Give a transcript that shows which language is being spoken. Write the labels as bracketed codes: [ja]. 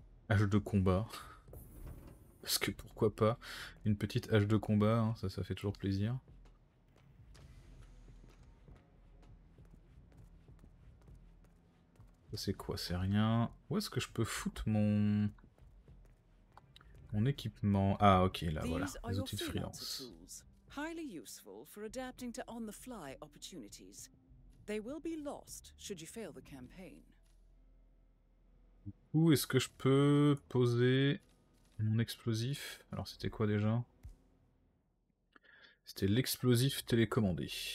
[fr] Hache de combat. Parce que pourquoi pas une petite hache de combat, hein, ça fait toujours plaisir. C'est quoi, c'est rien. Où est-ce que je peux foutre mon équipement? Ah ok, là voilà, les outils de freelance. [en] Highly useful for adapting to on the fly opportunities. They will be lost should you fail the campaign. [fr] Où est-ce que je peux poser mon explosif? Alors c'était quoi déjà? C'était l'explosif télécommandé.